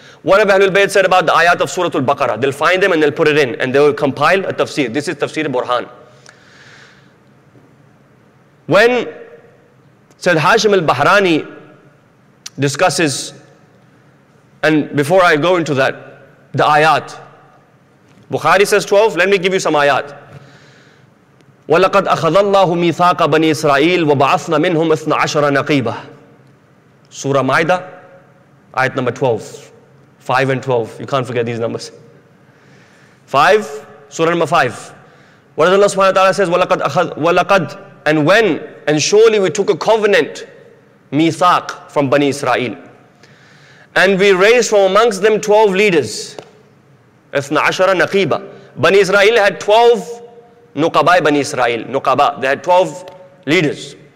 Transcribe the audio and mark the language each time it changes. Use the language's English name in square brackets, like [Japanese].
[English] What have Ahlul Bayt said about the ayat of Suratul Baqarah? They'll find them and they'll put it in and they will compile a tafsir. This is Tafsir Burhan. When Sayyid Hashim al-Bahrani discusses, and before I go into that, the ayat, Bukhari says 12, let me give you some ayat. [Arabic] وَلَقَدْ أَخَذَ اللَّهُ مِيثَاقَ بَنِي إِسْرَائِيلِ وَبَعَثْنَا مِنْهُمْ 12 نَقِيبَةً [English] Surah Maida, ayat number 12. 5 and 12. You can't forget these numbers. 5, Surah number 5. What does Allah subhanahu wa ta'ala says? وَلَقَدْ And when, and surely we took a covenant, mithaq, from Bani Israel. And we raised from amongst them 12 leaders. 12 نَقِيبَةً Bani Israel had 12 Nuqaba'i Bani Israel, Nuqaba, they had 12 leaders.